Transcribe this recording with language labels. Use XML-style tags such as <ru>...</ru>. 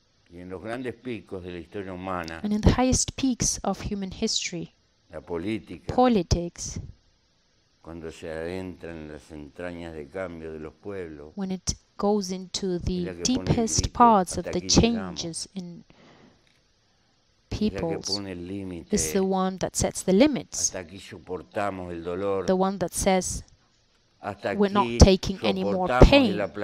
<es>Y en los grandes picos de la historia humana,</es> <en>and in the highest peaks of human history,</en> <es>la política,</es> <en>politics,</en> <es>cuando se adentra en las entrañas de cambio de los pueblos,</es> <en>when it goes into the deepest parts of the changes in peoples is the one that sets the limits,</en> <es>el dolor,</es> <en>the one that says</en> <es>hasta</es> <en>we're not taking any more pain.</en>